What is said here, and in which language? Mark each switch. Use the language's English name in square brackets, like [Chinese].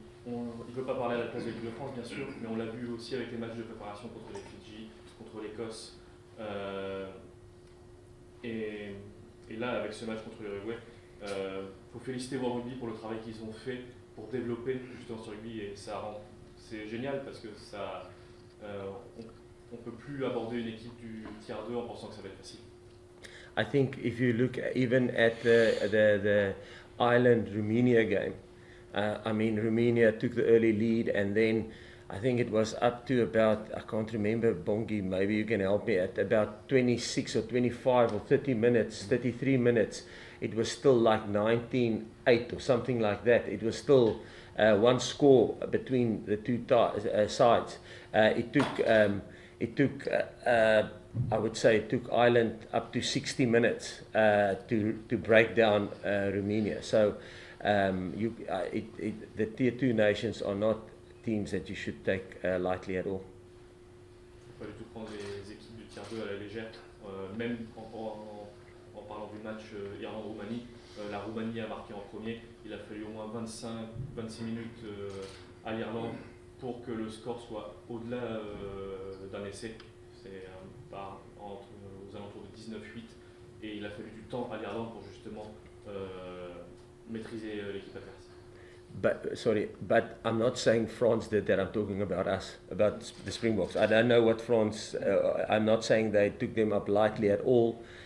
[French] Il veut pas parler à la place de l'équipe de France, bien sûr, mais on l'a vu aussi avec les matchs de préparation contre les Fidji, contre l'Écosse, et là avec ce match contre l'Uruguay, faut féliciter World Rugby pour le travail qu'ils ont fait pour développer justement ce rugby, et ça rend. C'est génial parce que ça, on peut plus aborder une équipe du tiers 2 en pensant que ça va être facile. [English] I think if you look even at the Ireland-Romania game, I mean Romania took the early lead and then I think it was up to about, I can't remember, Bongi, maybe you can help me, at about 26 or 25 or 30 minutes, 33 minutes, it was still like 19-8 or something like that. It was still one score between the two sides. It took Ireland up to 60 minutes to break down Romania. So the Tier 2 nations are not teams that you should take lightly at all. [French] Pas du tout prendre les équipes du tiers 2 à la légère, même en parlant du match Irlande-Roumanie, La Roumanie a marqué en premier. Il a fallu au moins 25-26 minutes à l'Irlande pour que le score soit au-delà d'un essai. C'est aux alentours de 19-8. Et il a fallu du temps à l'Irlande pour justement maîtriser l'équipe adverse. [English] But I'm not saying France did that. I'm talking about us, about the Springboks. I don't know what France. I'm not saying they took them up lightly at all.